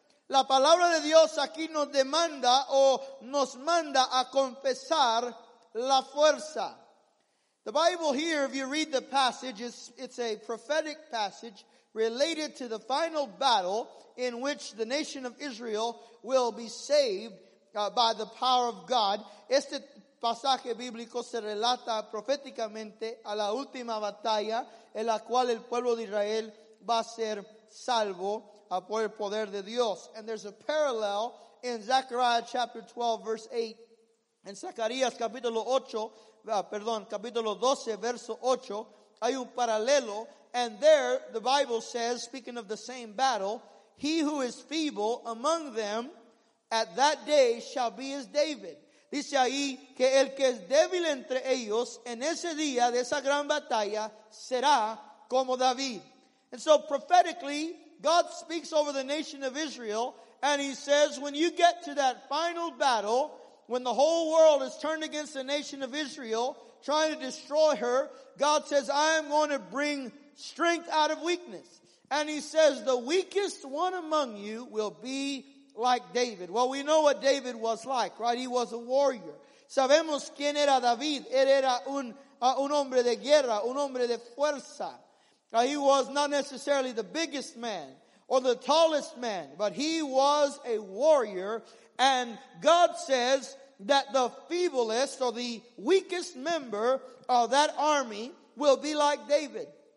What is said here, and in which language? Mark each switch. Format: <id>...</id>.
<es>La palabra de Dios aquí nos demanda o nos manda a confesar la fuerza.</es> <en>The Bible here, if you read the passage, it's a prophetic passage related to the final battle in which the nation of Israel will be saved by the power of God.</en> <es>Este pasaje bíblico se relata proféticamente a la última batalla en la cual el pueblo de Israel va a ser salvo por el poder de Dios.</es> <en>And there's a parallel in Zechariah chapter 12, verse 8.</en> <es>En Zacarías capítulo 8, capítulo 12, verso 8, hay un paralelo.</es> <en>And there, the Bible says, speaking of the same battle, he who is feeble among them at that day shall be as David.</en> <es>Dice ahí que el que es débil entre ellos en ese día de esa gran batalla será como David.</es> <en>And so prophetically, God speaks over the nation of Israel and he says, when you get to that final battle, when the whole world is turned against the nation of Israel, trying to destroy her, God says, I am going to bring strength out of weakness. And he says, the weakest one among you will be like David. Well, we know what David was like, right? He was a warrior.</en> <es>Sabemos quién era David. Él era un hombre de guerra, un hombre de fuerza.</es> <en>He was not necessarily the biggest man or the tallest man, but he was a warrior. And God says that the feeblest or the weakest member of that army will be like David.</en>